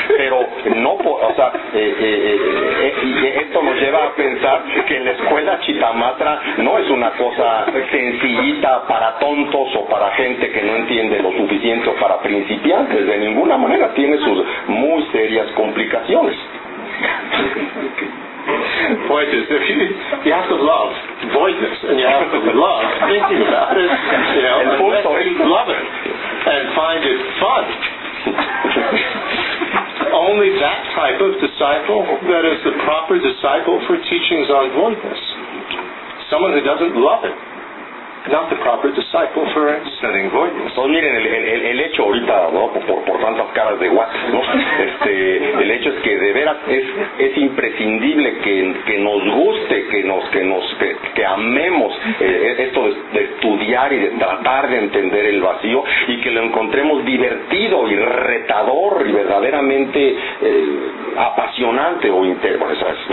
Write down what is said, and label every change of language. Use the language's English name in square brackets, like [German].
[Spanish] Pero no, o sea, esto nos lleva a pensar que la escuela Chitamatra no es una cosa sencillita para tontos o para gente que no entiende lo suficiente o para principiantes. De ninguna manera, tiene sus muy serias complicaciones. [English] Point is, if you have to love voidness and you have to love thinking about it, you know, and you love it and find it fun, only that type of disciple that is the proper disciple for teachings on voidness. Someone who doesn't love it, not the proper disciple for studying voidness. [Spanish] Pues miren, el hecho ahorita, ¿no? Por tantas caras de guas, ¿no? El hecho es que de veras es imprescindible que nos guste, que amemos esto de estudiar y de tratar de entender el vacío y que lo encontremos divertido y retador y verdaderamente apasionante o interesante.